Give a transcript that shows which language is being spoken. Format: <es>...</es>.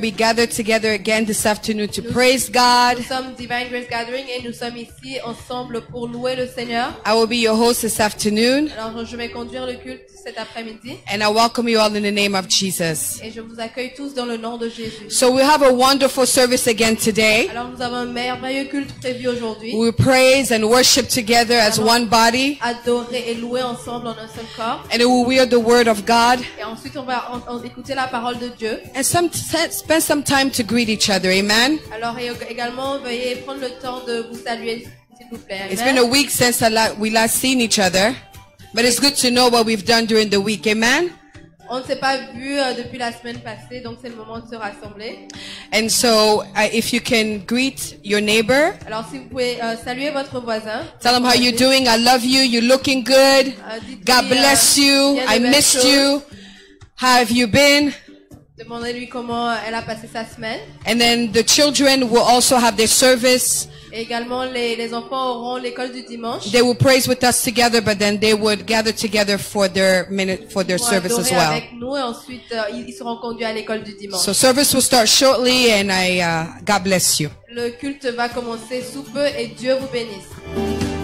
<en>We gather together again this afternoon to praise God.</en> <fr>Nous sommes Divine Grace Gathering et nous sommes ici ensemble pour louer le Seigneur.</fr> <en>I will be your host this afternoon.</en> <fr>Alors je vais conduire le culte cet après-midi.</fr> <en>And I welcome you all in the name of Jesus.</en> <fr>Et je vous accueille tous dans le nom de Jésus.</fr> <en>So we have a wonderful service again today.</en> <fr>Alors nous avons un merveilleux culte prévu aujourd'hui.</fr> <en>We praise and worship together as one body.</en> <fr>Adorer et louer ensemble en un seul corps.</fr> <en>And we will hear the word of God.</en> <fr>Et ensuite, on va écouter la parole de Dieu.</fr> <en>And spend some time to greet each other, amen.</en> <fr>Alors également, veuillez prendre le temps de vous saluer, s'il vous plaît.</fr> <en>It's been a week since we last seen each other, but it's good to know what we've done during the week, amen.</en> <fr>On ne s'est pas vu depuis la semaine passée, donc c'est le moment de se rassembler.</fr> <en>And so, if you can greet your neighbor.</en> <fr>Alors si vous pouvez saluer votre voisin.</fr> <en>Tell him how you're doing. I love you. You're looking good. God bless you. I missed you. How have you been?</en> <fr>Demandez-lui comment elle a passé sa semaine.</fr> <en>And then the children will also have their service.</en> <fr>Et également les enfants auront l'école du dimanche.</fr> <en>They will praise with us together, but then they would gather together for their minute for their service as well.</en> <fr>Ils vont adorer avec nous et ensuite ils seront conduits à l'école du dimanche.</fr> <en>So service will start shortly, and I God bless you.</en> <fr>Le culte va commencer sous peu et Dieu vous bénisse.</fr>